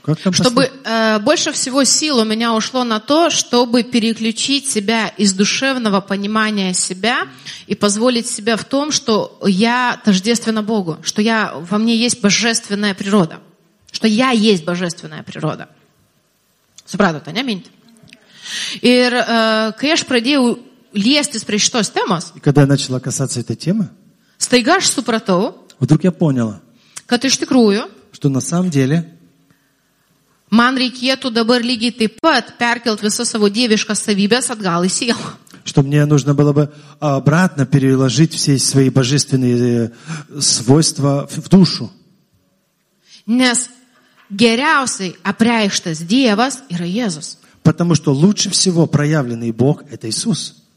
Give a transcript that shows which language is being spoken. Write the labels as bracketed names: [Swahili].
[Russian] Чтобы больше всего сил у меня ушло на то, чтобы переключить себя из душевного понимания себя и позволить себе в том, что я тождественна Богу, что я во мне есть божественная природа, что я есть божественная природа. [Lithuanian] Supratote, не mint? Ir kai aš pradėjau liestis prie šitos temos, [Russian] и когда я начала касаться этой темы, [Lithuanian] staiga aš supratau, [Russian] вдруг я поняла, [Lithuanian] kad iš tikrųjų, [Russian] что на самом деле [Lithuanian] man reikėtų dabar lygiai taip pat perkelt visas savo dieviškas savybės atgal į sielą. [Russian] Что мне нужно было бы обратно переложить все свои божественные свойства в душу. [Lithuanian] Nes geriausiai apreikštas Dievas yra Jėzus. [Russian] Потому что лучше всего проявленный Бог – это Иисус.